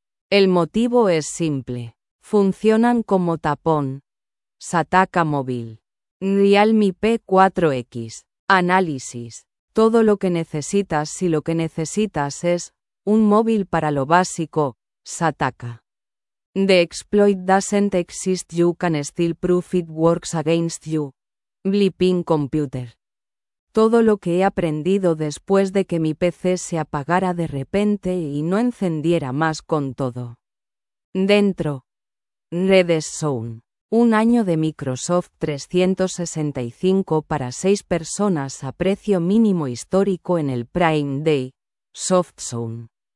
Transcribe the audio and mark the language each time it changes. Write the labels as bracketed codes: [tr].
[es] El motivo es simple. Funcionan como tapón. Sataka móvil. Realme P4X. Análisis. Todo lo que necesitas si lo que necesitas es un móvil para lo básico, Sataka. [en] The exploit doesn't exist, you can still prove it works against you. Bleeping Computer. [es] Todo lo que he aprendido después de que mi PC se apagara de repente y no encendiera más con todo. Dentro. Redes Zone. Un año de Microsoft 365 para 6 personas a precio mínimo histórico en el Prime Day. Soft Zone.